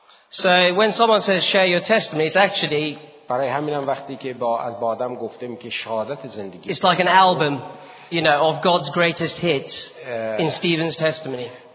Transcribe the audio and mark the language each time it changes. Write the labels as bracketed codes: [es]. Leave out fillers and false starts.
[en] So when someone says share your testimony, it's actually [fa] برای همینم وقتی که با آدم گفتم که شهادت زندگی [en] It's like an album, you know, of God's greatest hits in Stephen's testimony.